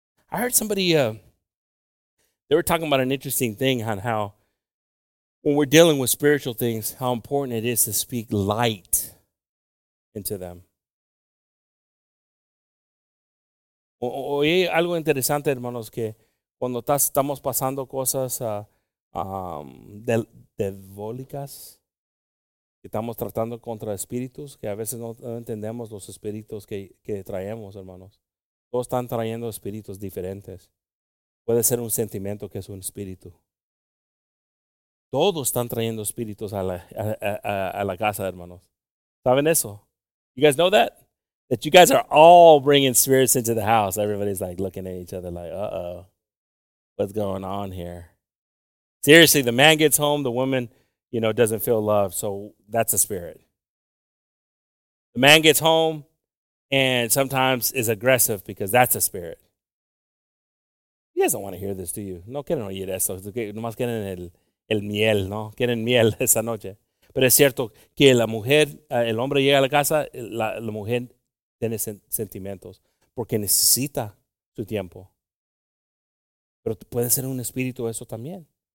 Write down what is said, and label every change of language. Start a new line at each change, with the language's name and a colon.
English: I heard somebody, they were talking about an interesting thing on how when we're dealing with spiritual things, how important it is to speak light into them.
Spanish: Oye, algo interesante, hermanos, que cuando estamos pasando cosas devólicas, estamos tratando contra espíritus que a veces no entendemos los espíritus que traemos, hermanos. Todos están trayendo espíritus diferentes. Puede ser un sentimiento que es un espíritu. Todos están trayendo espíritus a la casa, hermanos. ¿Saben eso?
English: You guys know that? That you guys are all bringing spirits into the house. Everybody's like looking at each other like, uh-oh. What's going on here? Seriously, the man gets home, the woman... You know, doesn't feel love, so that's a spirit. The man gets home and sometimes is aggressive because that's a spirit. You guys don't want to hear this, do you?
Spanish: No quieren oír eso. Nomás quieren el miel, ¿no? Quieren miel esa noche. Pero es cierto que la mujer, el hombre llega a la casa, la mujer tiene sentimientos porque necesita su tiempo. Pero puede ser un espíritu eso también.